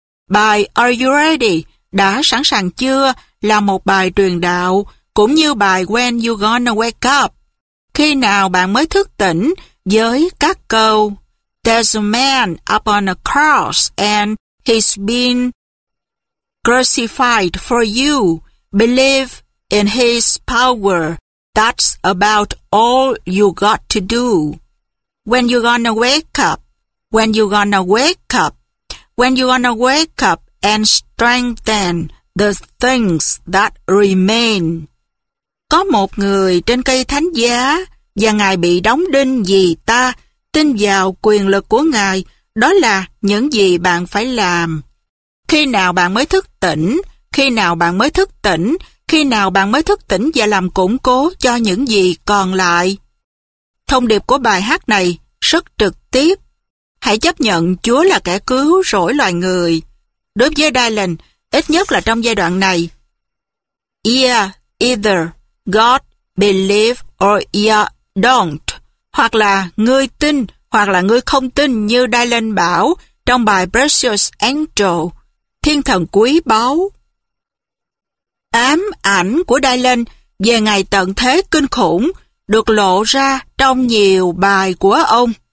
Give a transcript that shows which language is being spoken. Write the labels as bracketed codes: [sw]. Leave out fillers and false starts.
[vi] Bài Are You Ready? Đã sẵn sàng chưa? Là một bài truyền đạo, cũng như bài When You Gonna Wake Up? Khi nào bạn mới thức tỉnh, với các câu [en] There's a man up on a cross and he's been crucified for you. Believe in his power. That's about all you got to do. When you gonna wake up? When you gonna wake up? When you gonna wake up and strengthen the things that remain? [vi] Có một người trên cây thánh giá và Ngài bị đóng đinh vì ta, tin vào quyền lực của Ngài, đó là những gì bạn phải làm. Khi nào bạn mới thức tỉnh? Khi nào bạn mới thức tỉnh? Khi nào bạn mới thức tỉnh và làm củng cố cho những gì còn lại? Thông điệp của bài hát này rất trực tiếp. Hãy chấp nhận Chúa là kẻ cứu rỗi loài người. Đối với Dylan, ít nhất là trong giai đoạn này. [en] Yeah, either God believe or you don't. [vi] Hoặc là ngươi tin hoặc là ngươi không tin, như Dylan bảo trong bài Precious Angel, Thiên thần quý báu. Ám ảnh của Dylan về ngày tận thế kinh khủng được lộ ra trong nhiều bài của ông.